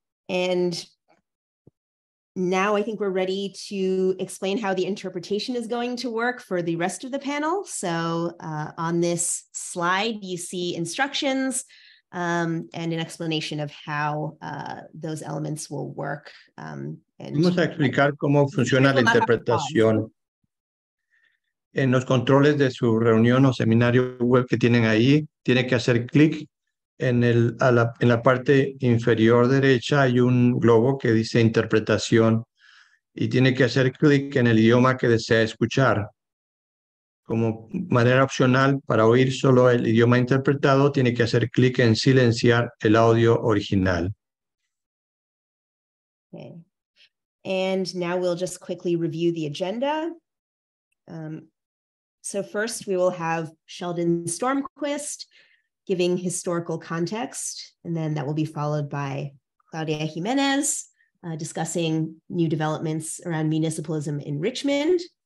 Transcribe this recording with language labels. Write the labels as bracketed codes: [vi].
[en] And now I think we're ready to explain how the interpretation is going to work for the rest of the panel. So on this slide, you see instructions and an explanation of how those elements will work. [es] Vamos a explicar cómo funciona la interpretación en los controles de su reunión o seminario web que tienen ahí. Tiene que hacer clic. En la parte inferior derecha hay un globo que dice interpretación y tiene que hacer clic en el idioma que desea escuchar. Como manera opcional para oír solo el idioma interpretado, tiene que hacer clic en silenciar el audio original. [en] Okay. And now we'll just quickly review the agenda. So first we will have Shelton Stromquist giving historical context, and then that will be followed by Claudia Jimenez discussing new developments around municipalism in Richmond.